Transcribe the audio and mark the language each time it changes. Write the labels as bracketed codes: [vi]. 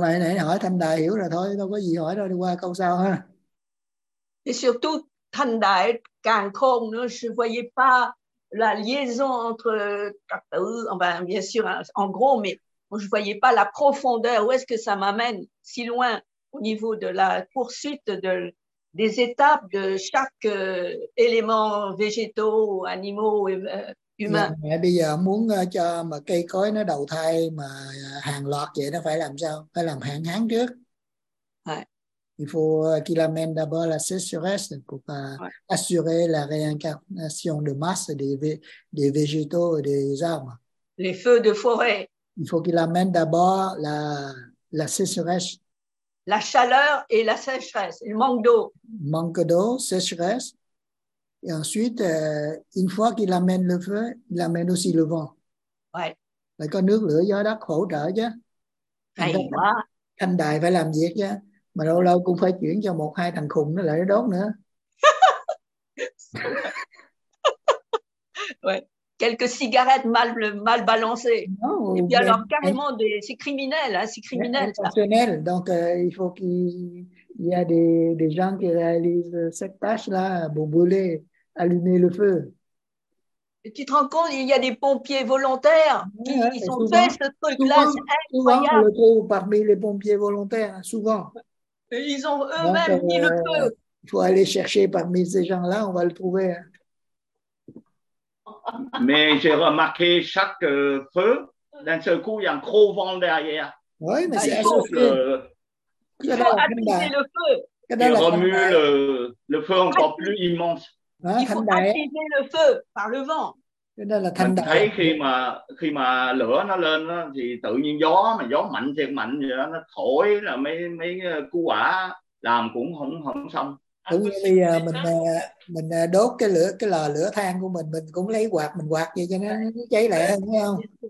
[vi] Mày nãy hỏi Thanh Đài hiểu rồi thôi, đâu có gì hỏi đâu, đi qua câu sau ha. [fr] Et surtout, [vi] Thanh Đài càng khôn nữa, [fr] je voyais pas la liaison entre trật tự, enfin, bien sûr, en gros, mais je voyais pas la profondeur, où est-ce que ça m'amène si loin au niveau de la poursuite des étapes de chaque élément végétaux, animaux, [vi] mẹ bây giờ muốn cho mà cây cối nó đầu thai mà hàng loạt vậy nó phải làm sao? Phải làm hạn hán trước. [fr] Il faut qu'il amène d'abord la sécheresse pour assurer la réincarnation de masse des végétaux et des arbres. Les feux de forêt. Il faut qu'il amène d'abord la sécheresse. La chaleur et la sécheresse. Il manque d'eau. Manque d'eau, sécheresse. Et ensuite, une fois qu'il amène le feu, il amène aussi le vent. Ouais. [vi] Phải có nước, lửa, gió, đất hỗ trợ chứ. Hay quá. Thanh Đài phải làm việc chứ. Mà lâu lâu cũng phải chuyển cho một hai thằng khùng nó lại đốt nữa. [fr] Ouais. Quelques cigarettes mal balancées. Non, et puis alors, carrément, c'est criminel. Hein, c'est criminel. Donc, il faut qu'il... il y a des gens qui réalisent cette tâche-là, bon, brûler, allumer le feu. Et tu te rends compte, il y a des pompiers volontaires qui ont fait ce truc-là, c'est incroyable. Souvent, on le trouve parmi les pompiers volontaires, souvent. Et ils ont eux-mêmes donc, mis le feu. Il faut aller chercher parmi ces gens-là, on va le trouver. Mais j'ai remarqué chaque feu, d'un seul coup, il y a un gros vent derrière. Oui, mais c'est assez fou. Il faut attiser le feu. Il remue le feu encore plus immense. Il faut attiser le feu par le vent. [vi] Thấy khi mà lửa nó lên đó, thì tự nhiên gió mà gió mạnh thiệt mạnh vậy đó, nó thổi là mấy cu quả làm cũng không xong. Đúng như bây giờ mình đốt cái lò lửa than của mình cũng lấy quạt mình quạt vậy cho nó cháy lẹ hơn, phải không?